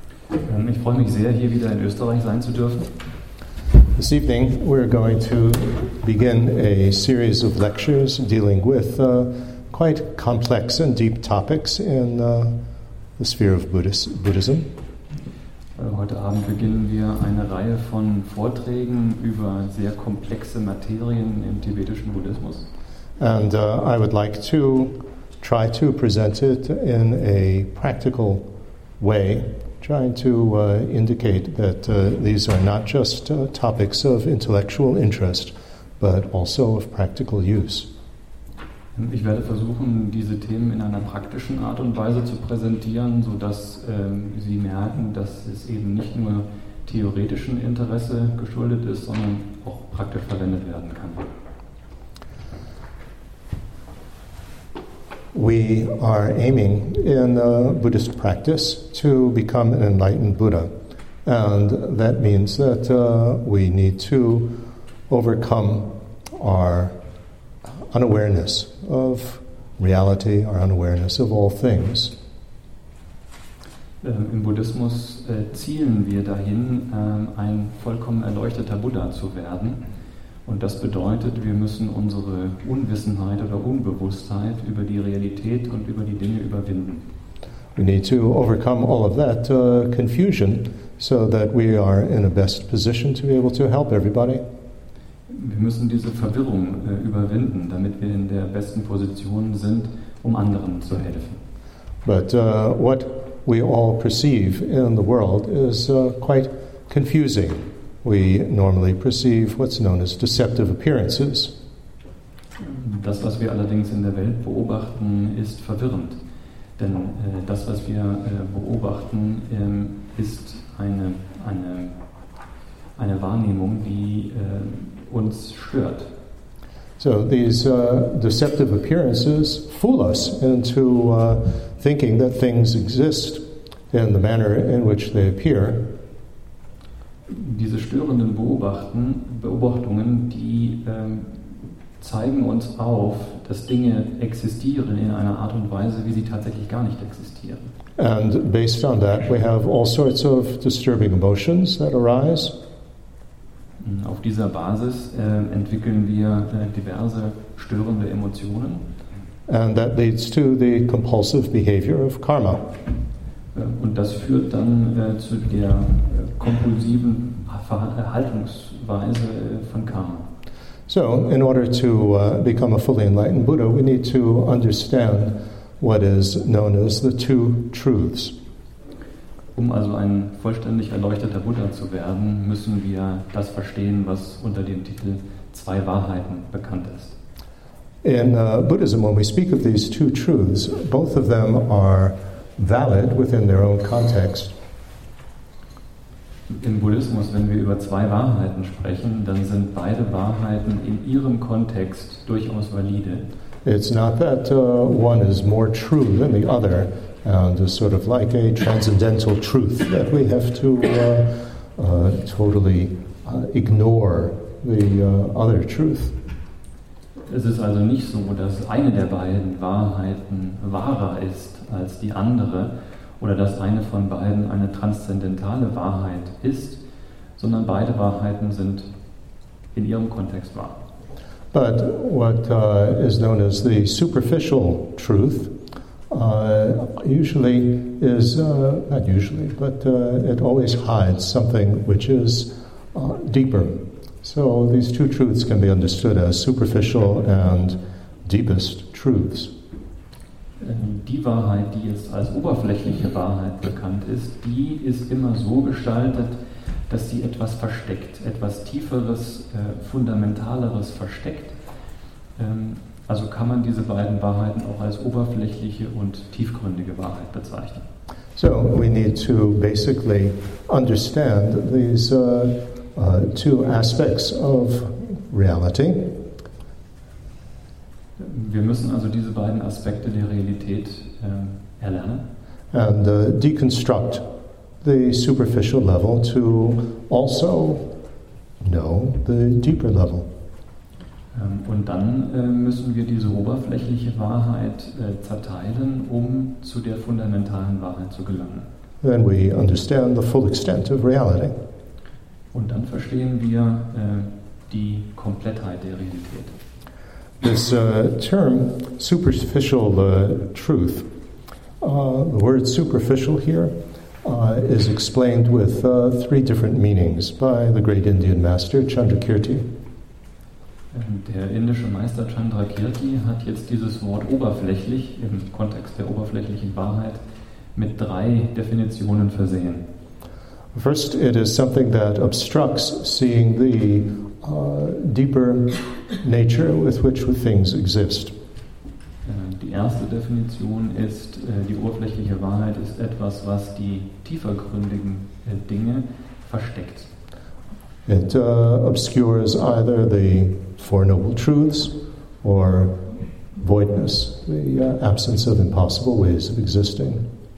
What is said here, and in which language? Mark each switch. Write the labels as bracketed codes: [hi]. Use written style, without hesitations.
[de] Ich freue mich sehr, hier wieder in Österreich sein zu dürfen. [en] This evening we're going to begin a series of lectures dealing with quite complex and deep topics in the sphere of Buddhism. [de] Heute Abend beginnen wir eine Reihe von Vorträgen über sehr komplexe Materien im tibetischen Buddhismus. [en] And I would like to try to present it in a practical way, trying to indicate that these are not just topics of intellectual interest, but also of practical use. [de] Ich werde versuchen, diese Themen in einer praktischen Art und Weise zu präsentieren, sodass Sie merken, dass es eben nicht nur theoretischen Interesse geschuldet ist, sondern auch praktisch verwendet werden kann. [en] We are aiming in Buddhist practice to become an enlightened Buddha. And that means that we need to overcome our unawareness of reality, our unawareness of all things. [de] Im Buddhismus zielen wir dahin, ein vollkommen erleuchteter Buddha zu werden. Und das bedeutet, wir müssen unsere Unwissenheit oder Unbewusstheit über die Realität und über die Dinge überwinden. [en] We need to overcome all of that confusion, so that we are in a best position to be able to help everybody. [de] Wir müssen diese Verwirrung überwinden, damit wir in der besten Position sind, um anderen zu helfen. [en] But what we all perceive in the world is quite confusing. We normally perceive what's known as deceptive appearances. [de] Das, was wir allerdings in der Welt beobachten, ist verwirrend. Denn das, was wir beobachten, ist eine Wahrnehmung, die uns stört. [en] So these deceptive appearances fool us into thinking that things exist in the manner in which they appear. [de] Diese störenden Beobachtungen, die zeigen uns auf, dass Dinge existieren in einer Art und Weise, wie sie tatsächlich gar nicht existieren. [en] And based on that, we have all sorts of disturbing emotions that arise. [de] Auf dieser Basis entwickeln wir diverse störende Emotionen. [en] And that leads to the compulsive behavior of karma. [de] Und das führt dann zu der kompulsiven Verhaltensweise von Karma. [en] So, in order to become a fully enlightened Buddha, we need to understand what is known as the two truths. [de] Um also ein vollständig erleuchteter Buddha zu werden, müssen wir das verstehen, was unter dem Titel zwei Wahrheiten bekannt ist. [en] In Buddhism, when we speak of these two truths, both of them are valid within their own context. [de] Im Buddhismus, wenn wir über zwei Wahrheiten sprechen, dann sind beide Wahrheiten in ihrem Kontext durchaus valide. [en] It's not that one is more true than the other, and is sort of like a transcendental truth that we have to totally ignore the other truth. [de] Es ist also nicht so, dass eine der beiden Wahrheiten wahrer ist als die andere, oder dass eine von beiden eine transzendentale Wahrheit ist, sondern beide Wahrheiten sind in ihrem Kontext wahr. [en] But what is known as the superficial truth usually is, not usually, but it always hides something which is deeper. So these two truths can be understood as superficial and deepest truths. [de] Die Wahrheit, die jetzt als oberflächliche Wahrheit bekannt ist, die ist immer so gestaltet, dass sie etwas versteckt, etwas Tieferes, Fundamentaleres versteckt. Also kann man diese beiden Wahrheiten auch als oberflächliche und tiefgründige Wahrheit bezeichnen. [en] So, we need to basically understand these two aspects of reality. [de] Wir müssen also diese beiden Aspekte der Realität erlernen. [en] And deconstruct the superficial level to also know the deeper level. [de] Und dann müssen wir diese oberflächliche Wahrheit zerteilen, um zu der fundamentalen Wahrheit zu gelangen. [en] Then we understand the full extent of reality. [de] Und dann verstehen wir die Komplettheit der Realität. [en] This term, superficial truth, the word superficial here, is explained with three different meanings by the great Indian master Chandrakirti. [de] Der indische Meister Chandrakirti hat jetzt dieses Wort oberflächlich im Kontext der oberflächlichen Wahrheit mit drei Definitionen versehen. [en] First, it is something that obstructs seeing the deeper nature with which things exist. [de] Die erste Definition ist, die oberflächliche Wahrheit ist etwas, was die tiefergründigen Dinge versteckt. [en] It obscures either the Four Noble Truths or voidness, the absence of impossible ways of existing.